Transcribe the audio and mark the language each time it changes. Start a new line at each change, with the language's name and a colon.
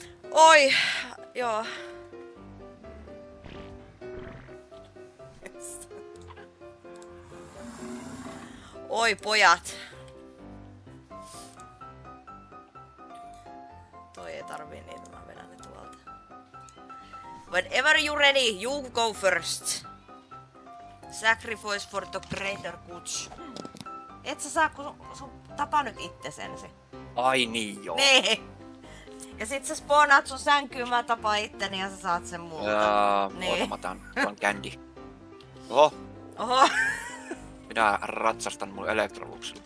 Finnish: Oi, joo. Oi, pojat. Toi ei tarvii niitä, mä vedän ne tuolta.
English: Whenever you ready, you go first. Sacrifice for the greater good.
Finnish: Et sä saa, kun sun tapa nyt itses ensin. Ai niin joo. Nee. Ja sit sä spawnaat sun sänkyyn, mä tapaan itteni ja sä saat sen muuta. Niin. Oota, mä tämän candy. Oho. Oho. Minä ratsastan mun elektroluksilla.